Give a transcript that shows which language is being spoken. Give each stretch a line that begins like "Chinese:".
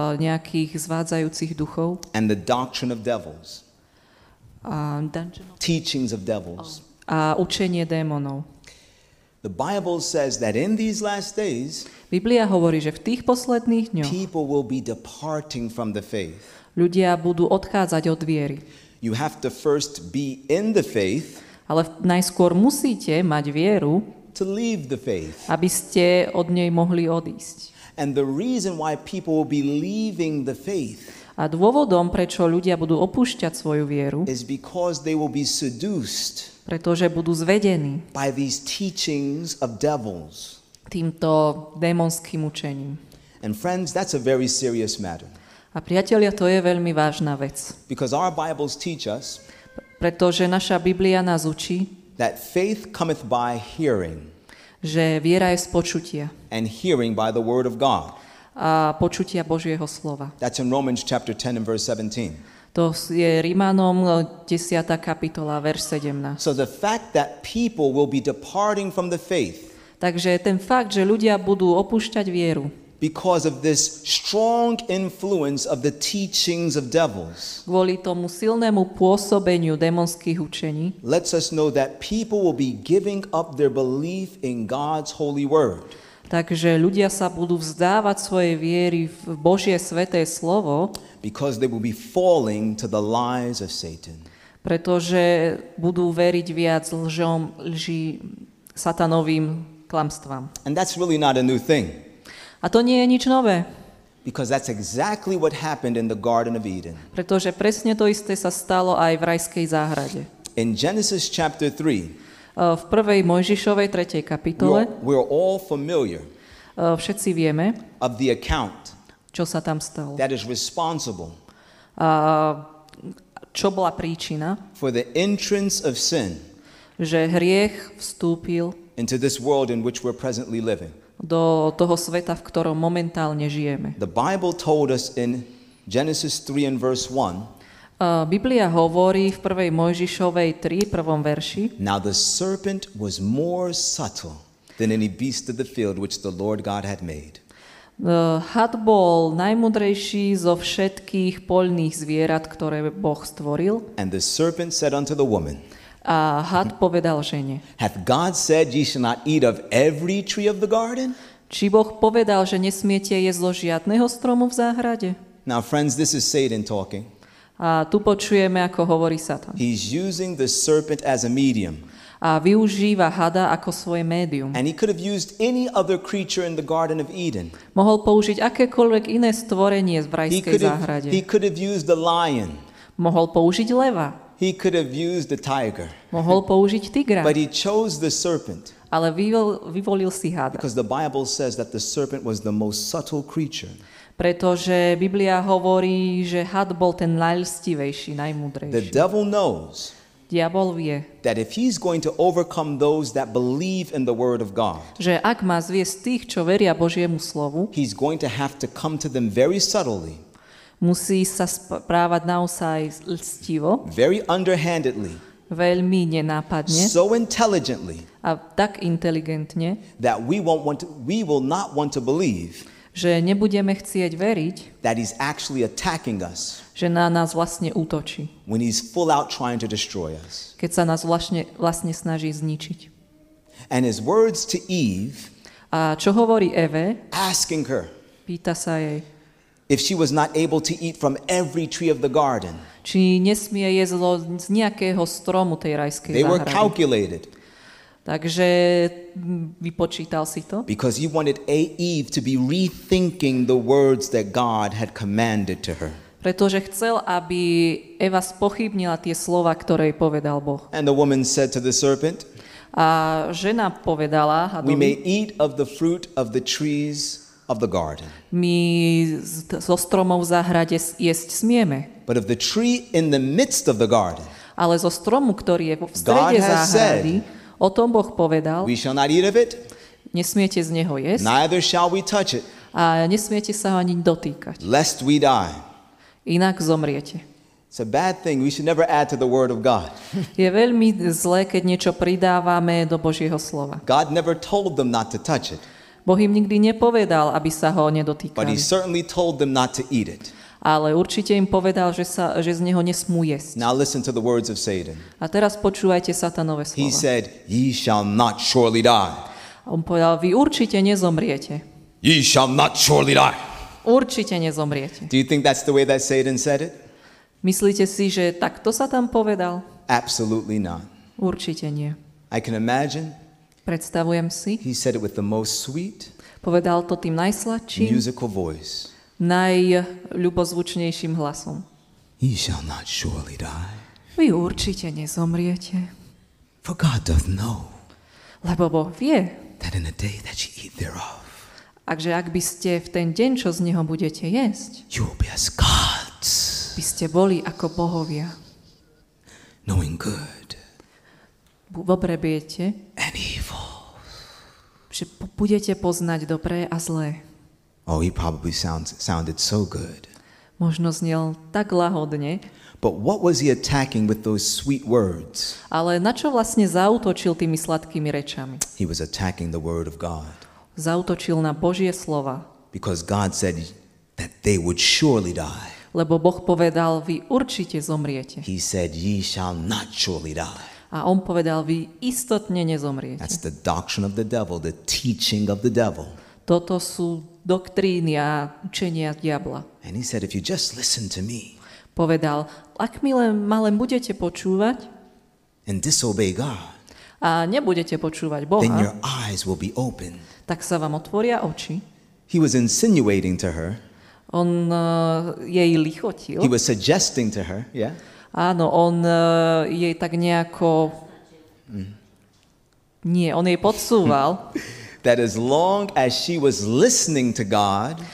Slovak: nejakých zvádzajúcich duchov,
English: and the doctrine of devils, teachings of devils,
Slovak: a učenie démonov.
English: The Bible says that in these last days,
Slovak: Biblia hovorí, že v tých posledných dňoch,
English: people will be departing from the faith,
Slovak: ľudia budú odchádzať od viery.
English: You have to first be in the faith,
Slovak: ale najskôr musíte mať vieru,
English: to leave the faith,
Slovak: aby ste od nej mohli odísť.
English: And the reason why people will be leaving the faith.
Slovak: A dôvodom, prečo ľudia budú opúšťať svoju vieru,
English: is because they will be seduced.
Slovak: Pretože budú zvedení.
English: By these teachings of devils.
Slovak: Týmto démonským učením.
English: And friends, that's a very serious matter.
Slovak: A priatelia, to je veľmi vážna vec.
English: Because our Bibles teach us.
Slovak: Pretože naša Biblia nás učí.
English: That faith cometh by hearing.
Slovak: Že viera je z počutia.
English: And hearing by the word of God.
Slovak: A počutia Božieho slova.
English: That's in Romans chapter 10 and verse 17.
Slovak: To je Rimanom 10. kapitola, verš 17.
English: So the fact that people will be departing from the faith.
Slovak: Takže ten fakt, že ľudia budú opúšťať vieru.
English: Because of this strong influence of the teachings of devils.
Slovak: Kvôli tomu silnému pôsobeniu démonských učení.
English: Lets us know that people will be giving up their belief in God's holy word.
Slovak: Takže ľudia sa budú vzdávať svojej viery v Božie sväté slovo.
English: Because they will be falling to the lies of Satan.
Slovak: Pretože budú veriť viac lžom, lži satanovým klamstvám.
English: And that's really not a new thing.
Slovak: A to nie je nič nové.
English: Because that's exactly what happened in the Garden of Eden.
Slovak: Pretože presne to isté sa stalo aj v rajskej záhrade.
English: In Genesis chapter 3.
Slovak: V prvej Mojžišovej 3. kapitole.
English: We're all familiar.
Slovak: Všetci vieme.
English: Of the account.
Slovak: Čo sa tam stalo.
English: That is responsible.
Slovak: Čo bola príčina?
English: For the entrance of sin.
Slovak: Že hriech vstúpil.
English: Into this world in which we're presently living.
Slovak: Do toho sveta, v ktorom momentálne žijeme.
English: The Bible told us in Genesis 3 and verse 1.
Slovak: Biblia hovorí v prvej Mojžišovej 3, prvom verši.
English: Now the serpent was more subtle than any beast of the field which the Lord God had made.
Slovak: Had bol najmudrejší zo všetkých poľných zvierat, ktoré Boh stvoril.
English: And the serpent said unto the woman.
Slovak: A had povedal žene.
English: Hath God said ye shall not eat of every tree of the garden?
Slovak: Či Boh povedal, že nesmiete jesť zo žiadného stromu v záhrade?
English: Now friends, this is Satan talking.
Slovak: A tu počujeme, ako hovorí Satan.
English: He's using the serpent as a medium.
Slovak: A využíva hada ako svoje médium.
English: And he could have used any other creature in the Garden of Eden.
Slovak: Mohol použiť akékoľvek iné stvorenie v rajskej záhrade.
English: He could have used the lion.
Slovak: Mohol použiť leva.
English: He could have used the tiger.
Slovak: Mohol použiť tigra.
English: But he chose the serpent.
Slovak: Ale vyvolil si hada.
English: Because the Bible says that the serpent was the most subtle creature.
Slovak: Pretože Biblia hovorí, že had bol ten najlstivejší, najmudrejší.
English: The devil knows.
Slovak: Diabol vie.
English: That if he's going to overcome those that believe in the word of God.
Slovak: Že ak má zviesť tých, čo veria Božiemu slovu.
English: He's going to have to come to them very subtly.
Slovak: Musí sa správať naozaj lstivo.
English: Very underhandedly.
Slovak: Veľmi nenápadne.
English: So intelligently.
Slovak: A tak inteligentne.
English: That we will not want to believe.
Slovak: Že nebudeme chcieť veriť.
English: That he's actually attacking us.
Slovak: Že na nás vlastne útočí.
English: When he's full out trying to destroy us.
Slovak: Keď sa nás vlastne snaží zničiť.
English: And his words to Eve.
Slovak: A čo hovorí Eve?
English: Asking her.
Slovak: Pýta sa jej.
English: If she was not able to eat from every tree of the garden.
Slovak: Či nesmie jesť z nejakého stromu tej rajskej záhrady.
English: They were calculated.
Slovak: Takže vypočítal si to.
English: Because he wanted Eve to be rethinking the words that God had commanded to her.
Slovak: Pretože chcel, aby Eva spochybnila tie slova, ktoré jej povedal Boh.
English: And the woman said to the serpent.
Slovak: A žena povedala hadovi.
English: We may eat of the fruit of the trees of the garden.
Slovak: My zo stromov v záhrade jesť smieme.
English: But of the tree in the midst of the garden.
Slovak: Ale zo stromu, ktorý je v strede záhrady, o tom Boh povedal.
English: We shall not eat of it.
Slovak: Nesmiete z neho jesť.
English: Neither shall we touch it.
Slovak: A nesmiete sa ho ani dotýkať.
English: Lest we die.
Slovak: Inak zomriete.
English: It's a bad thing. We should never add to the word of God.
Slovak: Je veľmi zlé, keď niečo pridávame do Božieho slova.
English: God never told them not to touch it.
Slovak: Boh im nikdy nepovedal, aby sa ho nedotýkali.
English: But he certainly told them not to eat it.
Slovak: Ale určite im povedal, že z neho nesmú jesť.
English: Now listen to the words of Satan.
Slovak: A teraz počúvajte Satanove slova.
English: He said, ye shall not surely die.
Slovak: A on povedal, vy určite nezomriete.
English: Ye shall not surely die.
Slovak: Určite nezomriete.
English: Do you think that's the way that Satan said it?
Slovak: Myslíte si, že takto sa tam povedal?
English: Absolutely not.
Slovak: Určite nie.
English: I can imagine.
Slovak: Predstavujem si.
English: He said it with the most sweet.
Slovak: Povedal to tým najsladším,
English: musical voice,
Slovak: najľubozvučnejším hlasom.
English: He shall not surely die.
Slovak: Vy určite nezomriete.
English: For God doth know,
Slovak: lebo Boh vie,
English: that in the day that you eat thereof,
Slovak: akže ak by ste v ten deň, čo z neho budete jesť,
English: you will be as gods,
Slovak: by ste boli ako bohovia.
English: Knowing good,
Slovak: dobre viete,
English: and evil,
Slovak: že budete poznať dobré a zlé.
English: Oh, he probably sounded so good.
Slovak: Možno znel tak lahodne.
English: But what was he attacking with those sweet words?
Slovak: Ale na čo vlastne zaútočil tými sladkými rečami?
English: He was attacking the word of God.
Slovak: Zaútočil na Božie slova.
English: Because God said that they would surely die.
Slovak: Lebo Boh povedal, vy určite zomriete.
English: He said, ye shall not surely die.
Slovak: A on povedal, vy istotne nezomriete.
English: That's the doctrine of the devil, the teaching of the devil.
Slovak: Toto sú doktríny a učenia diabla.
English: And he said, if you just listen to me,
Slovak: povedal, ak mi len malé budete počúvať
English: and disobey God,
Slovak: a nebudete počúvať Boha,
English: then your eyes will be open.
Slovak: Tak sa vám otvoria oči.
English: He was insinuating to her.
Slovak: On jej lichotil.
English: He was suggesting to her, yeah?
Slovak: Áno, on jej tak nejako... Nie, on jej podsúval.
English: That as long as she was listening to God,